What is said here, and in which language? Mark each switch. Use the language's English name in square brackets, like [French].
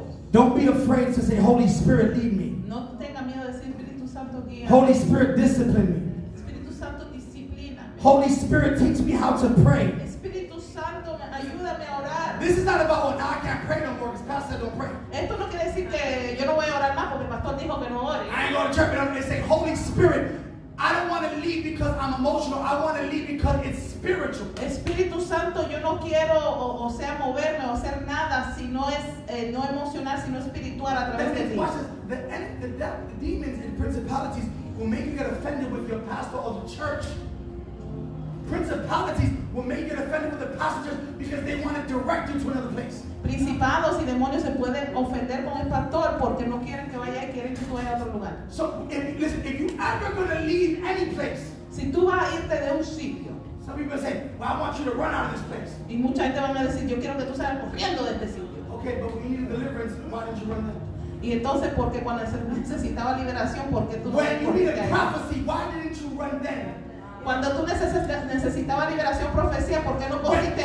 [English] Don't be afraid to say, Holy Spirit, lead me. [Spanish] No tenga miedo de decir, Espíritu Santo, guía. [English] Holy Spirit, discipline me. [Spanish] Espíritu Santo, disciplina. [English] Holy Spirit, teach me how to pray. [Spanish] Espíritu Santo, ayúdame a orar. [English] This is not about, I can't pray no more because Pastor don't pray. [Spanish] Esto no quiere decir que yo no voy a orar más porque el pastor dijo que no ore. [English] I ain't going to church, but I'm going to say, Holy Spirit, I don't want to leave because I'm emotional. I want to leave because it's spiritual. [Spanish] Espíritu Santo, yo no quiero o sea moverme o hacer nada si no es no emocional, sino espiritual a través de ti. [English] The demons and principalities will make you get offended with your pastor or the church. Principalities will make you get offended with the pastors because they want to direct you to another place. [Spanish] Principados y demonios se pueden ofender con el pastor porque no quieren que vaya y quieren que tú vayas a otro lugar. [English] So, if you ever going to leave any place, [Spanish] si tú vas a irte de un sitio, [English] some people say, well, I want you to run out of this place. [Spanish] Y mucha gente va a decir, yo quiero que tú salgas corriendo de este sitio. [English] Okay, but we need deliverance, why don't you run out? [Spanish] Y entonces, porque cuando se necesitaba liberación, ¿por qué tú no [English] when you need a prophecy, why didn't you run then? [Spanish] Cuando tú necesitabas liberación profecía, ¿por qué no corriste